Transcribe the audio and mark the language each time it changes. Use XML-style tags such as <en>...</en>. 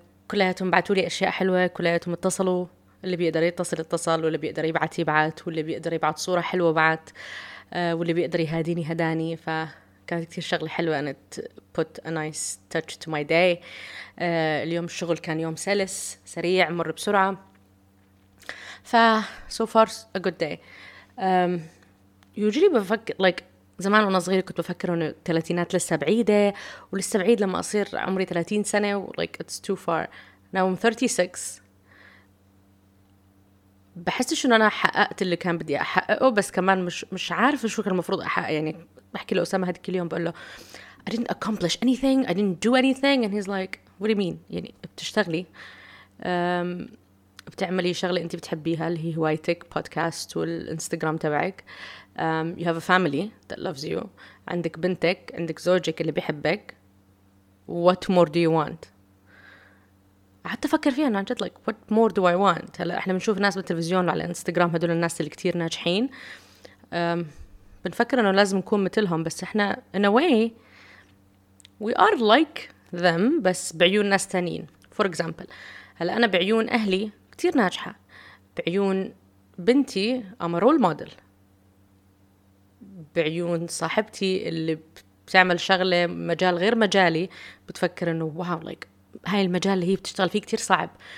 <ar>كلياتهم بعثوا لي أشياء حلوة. كلياتهم اتصلوا. اللي بيقدر يتصل اتصل, واللي بيقدر يبعث يبعث, واللي بيقدر يبعث صورة حلوة بعث, واللي بيقدر يهاديني هداني. فكانت كتير شغلة حلوة أن</ar> <en>it put a nice touch to my day.</en> <ar>اليوم الشغل كان يوم سلس سريع مر بسرعة.</ar> <en>So far a good day.</en> <ar>يجري بفكر like زمان وانا صغيرة كنت بفكر انه الثلاثينات لسه بعيدة ولسه بعيد لما اصير عمري 30 سنة</ar> <en>like it's too far. Now I'm 36.</en> <ar>بحسش انه انا حققت اللي كان بدي احققه, بس كمان مش عارف شو كان المفروض احقق. يعني بحكي لأسامة هذيك اليوم بقول له</ar> <en>I didn't accomplish anything, I didn't do anything, and he's like what do you mean,</en> <ar>يعني بتشتغلي بتعملي شغلة انت بتحبيها اللي هي هوايتك, بودكاست والانستغرام تبعك.</ar> <en>You have a family that loves you.</en> <ar>عندك بنتك, عندك زوجك اللي بيحبك.</ar> <en>What more do you want?</en> <ar>حتى فكر فيها أنا جد</ar> <en>like what more do I want.</en> <ar>هلا إحنا بنشوف ناس بالتلفزيون وعلى إنستغرام, هدول الناس اللي كتير ناجحين. بنفكر إنه لازم نكون مثلهم, بس إحنا</ar> <en>in a way we are like them</en> <ar>بس بعيون ناس تانين.</ar> <en>For example,</en> <ar>هلا أنا بعيون أهلي كتير ناجحة, بعيون بنتي</ar> <en>I'm a role model,</en> <ar>بعيون صاحبتي اللي بتعمل شغلة مجال غير مجالي بتفكر انه واو لايك هاي المجال اللي هي بتشتغل فيه كتير صعب.</ar>